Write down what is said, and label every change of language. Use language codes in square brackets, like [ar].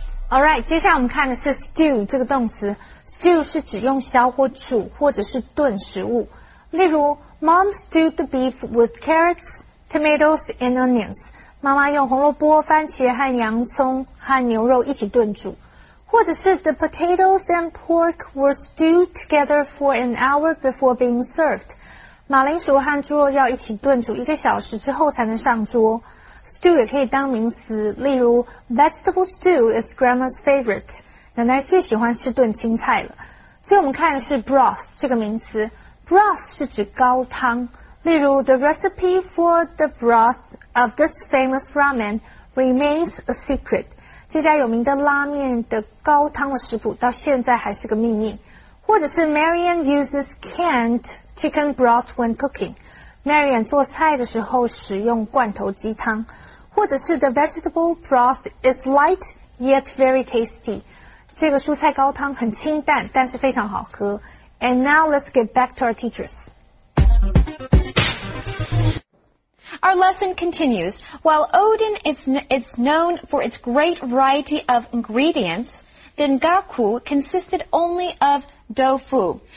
[en] Alright, [zh] 接下来我们看的是 stew 这个动词。Stew 是指用消或煮或者是炖食物。例如 [en] ,Mom stewed the beef with carrots, tomatoes, and onions. [zh] 妈妈用红萝卜、番茄和洋葱和牛肉一起炖煮。或者是 [en] ,The potatoes and pork were stewed together for an hour before being served. [zh] 马铃薯和猪肉要一起炖煮一个小时之后才能上桌。 [en] Stew [zh] 也可以当名词，例如 [en] Vegetable stew is grandma's favorite. [zh] 奶奶最喜欢吃炖青菜了。所以我们看的是 broth 这个名词。Broth 是指高汤。例如 [en] The recipe for the broth of this famous ramen remains a secret. [zh] 这家有名的拉面的高汤的食谱到现在还是个秘密。或者是 [en] Marianne uses canned chicken broth when cooking. [zh] Marianne 做菜的时候使用罐头鸡汤，或者是 [en] The vegetable broth is light yet very tasty. [zh] 这个蔬菜高汤很清淡，但是非常好喝。 [en] And now let's get back to our teachers. Our lesson continues. While oden is known for its great variety of ingredients, dengaku consisted only of tofu.